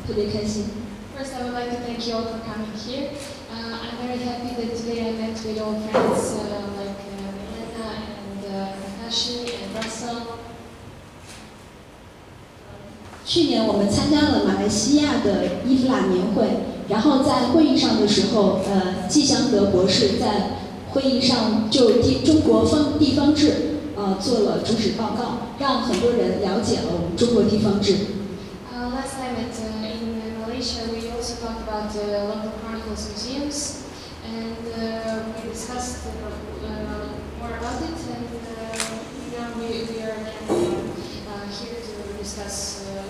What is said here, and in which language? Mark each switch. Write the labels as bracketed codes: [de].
[en] First, I would like to thank you all for coming here. I'm very happy that today I met with all friends like Elena and Takashi and Russell. [zh] 去年我们参加了马来西亚的伊夫拉年会，然后在会议上的时候，季祥德博士在会议上就地中国方地方志做了主旨报告，让很多人了解了我们中国地方志。 [en] Last time in Malaysia, we also talked about the local chronicles museums, and we discussed more about it. And now we are here to discuss.